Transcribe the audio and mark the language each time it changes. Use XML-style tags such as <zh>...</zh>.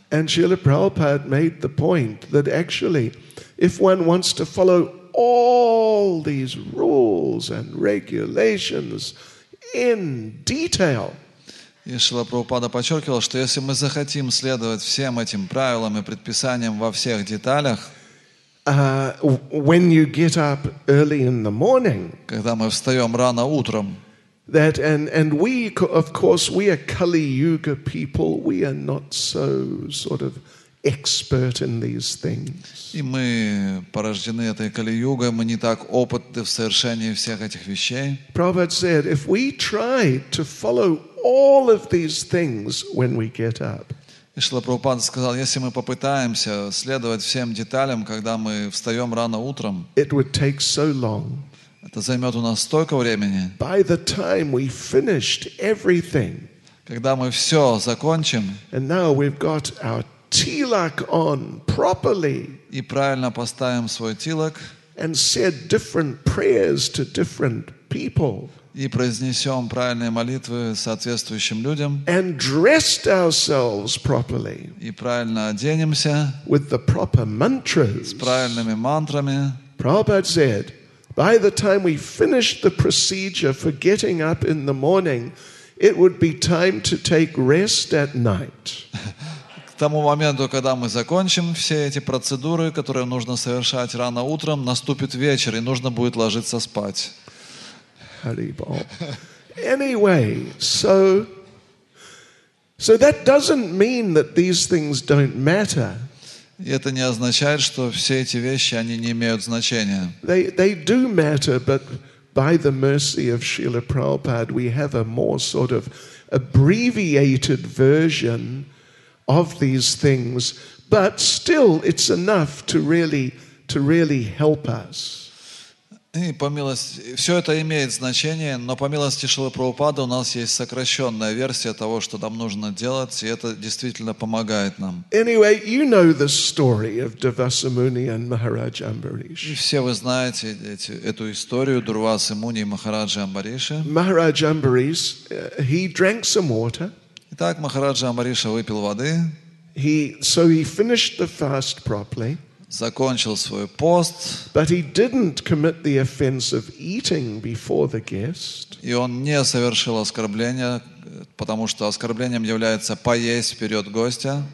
<en>And Srila Prabhupada made the point that actually, if one wants to follow all these rules and regulations in detail,</en> <ru>и Шрила Прабхупада подчеркивал, что если мы захотим следовать всем этим правилам и предписаниям во всех деталях,</ru> <en>when you get up early in the morning,</en> <ru>когда мы встаем рано утром,</ru> <en>that and we, of course, we are Kali Yuga people. We are not so sort of expert in these things.</en> <ru>И мы порождены этой Кали-Югой, мы не так опытны в совершении всех этих вещей.</ru> <en>Prabhupada said, if we try to follow all of these things when we get up,</en> <ru>и Шрила Прабхупада сказал, если мы попытаемся следовать всем деталям, когда мы встаем рано утром,</ru> <en>it would take so long.</en> <ru>Это займет у нас столько времени.</ru> <en>By the time we finished everything,</en> <ru>когда мы все закончим,</ru> <en>and now we've got our tilak on properly,</en> <ru>и правильно поставим свой тилак,</ru> <en>and said different prayers to different people,</en> <ru>и произнесем правильные молитвы соответствующим людям,</ru> <en>and dressed ourselves properly,</en> <ru>и правильно оденемся,</ru> <en>with the proper mantras,</en> <ru>с правильными мантрами.</ru> <en>Prabhupada said, by the time we finished the procedure for getting up in the morning, it would be time to take rest at night.</en> <ru>К тому моменту, когда мы закончим все эти процедуры, которые нужно совершать рано утром, наступит вечер, и нужно будет ложиться спать.</ru> <en>Anyway, so that doesn't mean that these things don't matter.</en> <ru>И это не означает, что все эти вещи, они не имеют значения.</ru> <en>They do matter, but by the mercy of Srila Prabhupada, we have a more sort of abbreviated version of these things, but still it's enough to really help us.</en> <ru>И по милости, все это имеет значение, но по милости Шрилы Прабхупады у нас есть сокращенная версия того, что нам нужно делать, и это действительно помогает нам.</ru> <en>Anyway, you know the story of Devasamuni and Maharaj Ambarish.</en> <ru>И все вы знаете эту историю Дурвасы Муни и Махараджи Амбариши.</ru> <en>Maharaj Ambarish, he drank some water.</en> <ru>Итак, Махараджа Амбариша выпил воды.</ru> <en>So he finished the fast properly.</en> <ru>Закончил свой пост.</ru> <en>But he didn't commit the offense of eating before the guest.</en> <ru>И он не совершил оскорбления, потому что оскорблением является поесть вперед гостя.</ru>